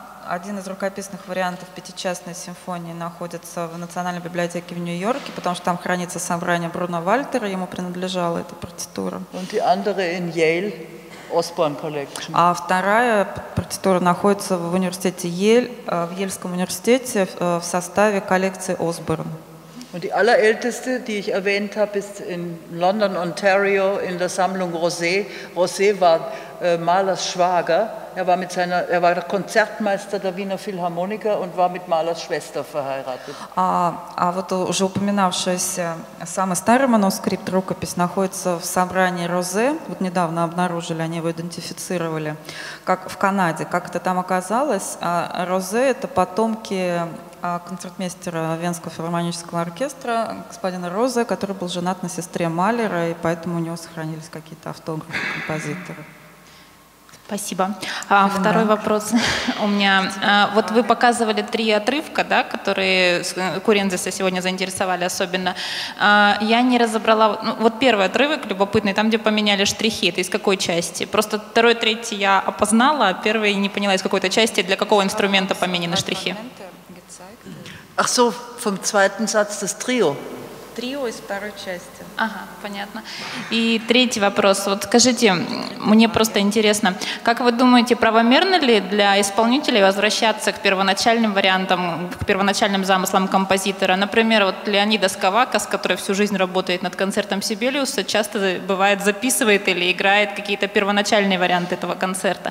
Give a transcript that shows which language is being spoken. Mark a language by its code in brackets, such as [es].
[ru] Один из рукописных вариантов пятичастной симфонии находится в Национальной библиотеке в Нью-Йорке, потому что там хранится собрание Бруно Вальтера, ему принадлежала эта партитура. [de] Und die andere in Yale, Osborne Collection. [ru] А вторая партитура находится в университете Йель, в Йельском университете в составе коллекции Осборн. [de] Und die allerälteste, die ich erwähnt habe, ist in London, Ontario, in der Sammlung Rosé. Rosé war Malers Schwager. Er war Konzertmeister der Wiener Philharmoniker und war mit Malers Schwester verheiratet. [ru] А вот уже упоминавшийся самый старый манускрипт, рукопись, находится в собрании Розе. Вот недавно обнаружили, они его идентифицировали, как в Канаде. Как это там оказалось? Розе – это потомки концертмейстера Венского филармонического оркестра, господина Розе, который был женат на сестре Малера, и поэтому у него сохранились какие-то автографы композитора. Спасибо. Второй вопрос у меня. Вот вы показывали три отрывка, да, которые Курензеса сегодня заинтересовали особенно. Я не разобрала. Ну, вот первый отрывок любопытный, там, где поменяли штрихи, это из какой части? Просто второй, третий я опознала, а первый не поняла, из какой-то части, для какого инструмента поменены штрихи. [de] Ach so, vom zweiten Satz das Trio. Trio ist [ru] второй части. Ага, понятно. И третий вопрос. Вот скажите, мне просто интересно, как вы думаете, правомерно ли для исполнителей возвращаться к первоначальным вариантам, к первоначальным замыслам композитора? Например, вот Леонидас Кавакас, который всю жизнь работает над концертом Сибелиуса, часто бывает записывает или играет какие-то первоначальные варианты этого концерта.